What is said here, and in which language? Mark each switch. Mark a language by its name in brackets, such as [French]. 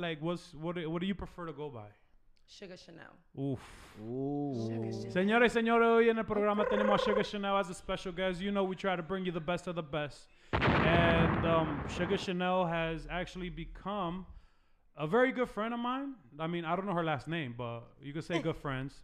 [English] Like, what do you prefer to go by? Sugar Chanel. Uf. Sugar Chanel. [Spanish] Señores y señores, hoy en el programa tenemos a Sugar Chanel [English] as a special guest. You know we try to bring you the best of the best. And Sugar Chanel has actually become a very good friend of mine. I mean, I don't know her last name, but you can say good friends.